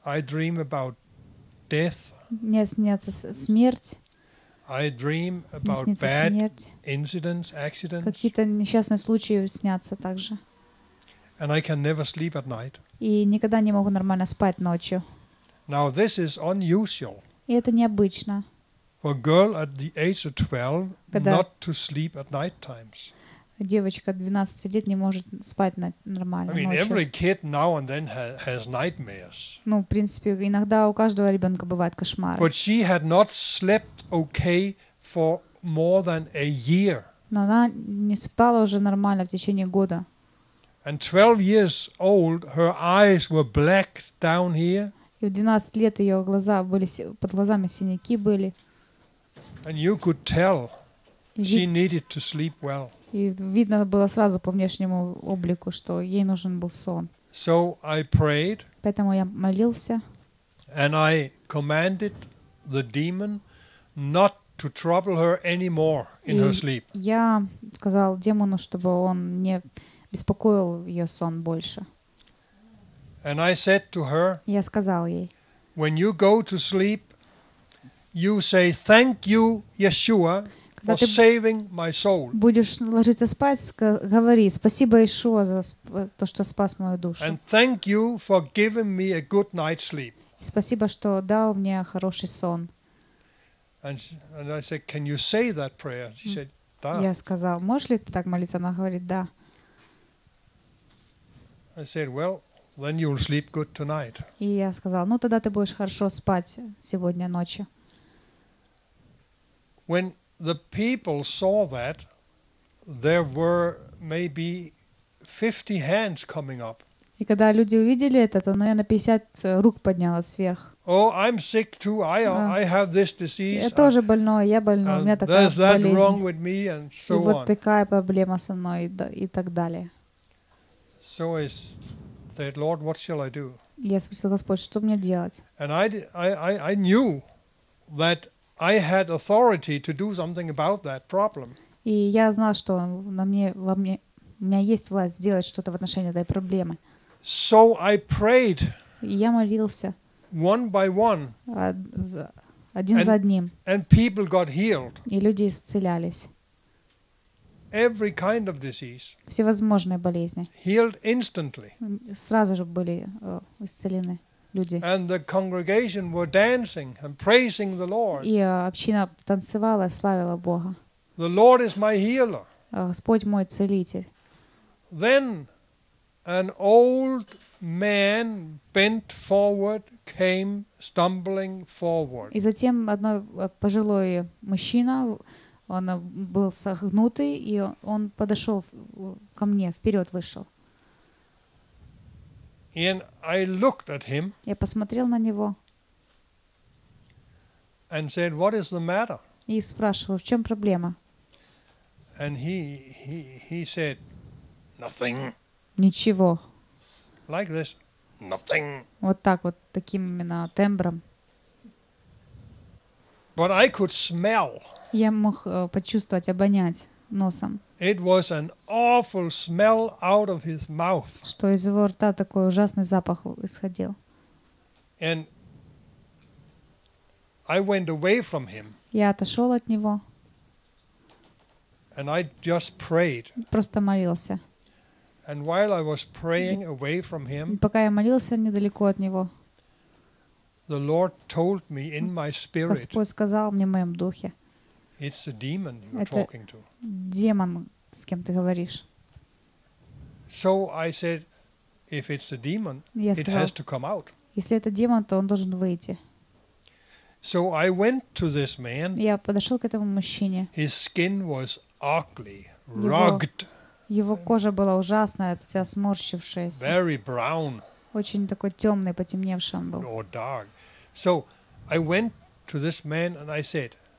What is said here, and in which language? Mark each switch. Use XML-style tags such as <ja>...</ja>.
<en>I dream about death.</en> <ru>Мне снятся смерть.</ru> <en>I dream about bad incidents, accidents.</en> <ru>Какие-то несчастные случаи снятся также.</ru> <en>And I can never sleep at night.</en> <ru>И никогда не могу нормально спать ночью.</ru> <en>Now this is unusual.</en> <ru>И это необычно.</ru> <en>For a girl at the age of 12 not to sleep at night times.</en> <ru>Девочка 12 лет не может спать нормально ночью.</ru> <en>I mean, every kid now and then has nightmares.</en> <ru>Ну, в принципе, иногда у каждого ребенка бывают кошмары.</ru> <en>But she had not slept okay for more than a year.</en> <ru>Но она не спала уже нормально в течение года.</ru> <en>And 12 years old, her eyes were black down here.</en> <ru>И в 12 лет ее глаза были, под глазами синяки были.</ru> <en>And you could tell she needed to sleep well.</en> <ru>И видно было сразу по внешнему облику, что ей нужен был сон.</ru> <en>So I prayed,</en> <ru>поэтому я молился.</ru> <en>And I commanded the demon not to trouble her anymore in her sleep.</en> <ru>Я сказал демону, чтобы он не беспокоил ее сон больше.</ru> <en>And I said to her,</en> <ru>я сказал ей,</ru> <en>when you go to sleep, you say, thank you, Yeshua, for saving my soul.</en> <ru>Будешь ложиться спать, говори: спасибо Иешуа за то, что спас мою душу.</ru> <en>And thank you for giving me a good night's sleep.</en> <ru>Спасибо, что дал мне хороший сон.</ru> <en>And I said, can you say that prayer? She said,</en> <ru>да. Я сказал: можешь ли ты так молиться? Она говорит: да.</ru> <en>I said, well, then you'll sleep good tonight.</en> <ru>И я сказал: ну тогда ты будешь хорошо спать сегодня ночью.</ru> <en>When the people saw that, there were maybe 50 hands coming up.</en> <ru>И когда люди увидели это, то, наверное, 50 рук поднялось вверх.</ru> <en>Oh, I'm sick too. I have this disease.</en> <ru>Я тоже больной, я больной, у меня такая болезнь.</ru> <en>There's that wrong with me, and so on.</en> <ru>И вот такая проблема со мной, и так далее.</ru> <en>So I said, Lord, what shall I do?</en> <ru>Я спросил Господь, что мне делать?</ru> <en>And I knew that I had authority to do something about that problem.</en> <ru>И я знал, что во мне у меня есть власть сделать что-то в отношении этой проблемы.</ru> <en>So I prayed.</en> <ru>Я молился.</ru> <en>One by one.</en> <ru>Один за одним.</ru> <en>And people got healed.</en> <ru>И люди исцелялись.</ru> <en>Every kind of disease.</en> <ru>Всевозможные болезни.</ru> <en>Healed instantly.</en> <ru>Сразу же были исцелены люди.</ru> <en>And the congregation were dancing and praising the Lord.</en> <ru>И община танцевала, славила Бога.</ru> <en>The Lord is my healer.</en> <ru>Господь мой целитель.</ru> <en>Then an old man bent forward came stumbling forward.</en> <ru>И затем одно пожилой мужчина, он был согнутый, и он подошел ко мне, вперед вышел.</ru> <en>And I looked at him.</en> <ru>Я посмотрел на него.</ru> <en>And said, "What is the matter?"</en> <ru>И спрашиваю, в чем проблема?</ru> <en>And he said, "Nothing."</en> <ru>Ничего.</ru> <en>Like this. Nothing.</en> <ru>Вот так вот, таким именно тембром.</ru> <en>But I could smell.</en> <ru>Я мог почувствовать, обонять носом.</ru> <en>It was an awful smell out of his mouth.</en> <ru>Что из его рта такой ужасный запах исходил.</ru> <en>And I went away from him.</en> <ru>Я отошел от него.</ru> <en>And I just prayed.</en> <ru>Просто молился.</ru> <en>And while I was praying away from him,</en> <ru>пока я молился недалеко от него,</ru> <en>the Lord told me in my spirit,</en> <ru>Господь сказал мне в моем духе,</ru> <en>it's a demon you're talking to.</en> <ru>Демон, с кем ты говоришь.</ru> <en>So I said, if it's a demon, it has to come out.</en> <ru>Если это демон, то он должен выйти.</ru> <en>So I went to this man.</en> <ru>Я подошел к этому мужчине.</ru> <en>His skin was ugly, rugged.</en> <ru>Его кожа была ужасная, вся сморщившаяся.</ru> <en>Very brown.</en> <ru>Очень такой темный, потемневший он был.</ru> <en>Or dark. So I went to this man and I said,</en>